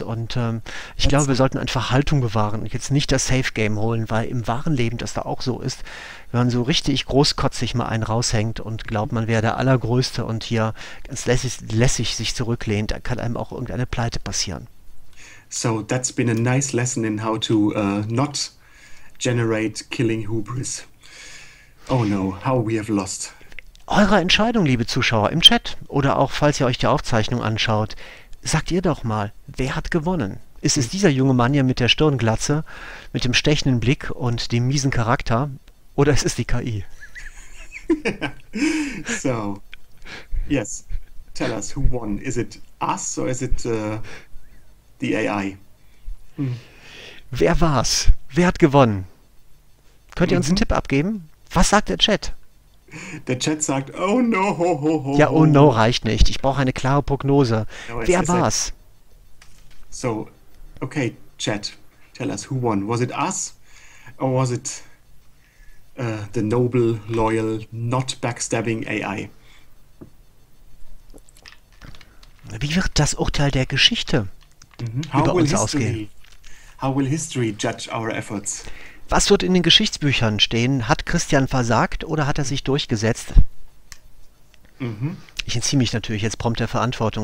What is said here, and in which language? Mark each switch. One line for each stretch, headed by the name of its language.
German: Und ich glaube, wir sollten einfach Haltung bewahren und jetzt nicht das Safe-Game holen, weil im wahren Leben das da auch so ist, wenn man so richtig großkotzig mal einen raushängt und glaubt, man wäre der Allergrößte und hier ganz lässig sich zurücklehnt, da kann einem auch irgendeine Pleite passieren.
English: So, that's been a nice lesson in how to not generate killing hubris. Oh no, how we have lost.
German: Eure Entscheidung, liebe Zuschauer, im Chat oder auch falls ihr euch die Aufzeichnung anschaut, sagt ihr doch mal, wer hat gewonnen? Ist es dieser junge Mann hier mit der Stirnglatze, mit dem stechenden Blick und dem miesen Charakter oder ist es die KI?
English: So, yes, tell us who won. Is it us or is it the AI?
German: Wer war's? Wer hat gewonnen? Könnt ihr uns einen Tipp abgeben? Was sagt der Chat? Der Chat sagt, oh no, ho, ho, ho. Ja, oh no, reicht nicht. Ich brauche eine klare Prognose. No, wer war's?
English: So, okay, Chat, tell us who won. Was it us or was it the noble, loyal, not backstabbing AI?
German: Wie wird das Urteil der Geschichte über uns ausgehen?
English: How will history judge our efforts?
German: Was wird in den Geschichtsbüchern stehen? Hat Christian versagt oder hat er sich durchgesetzt? Ich entziehe mich natürlich jetzt prompt der Verantwortung.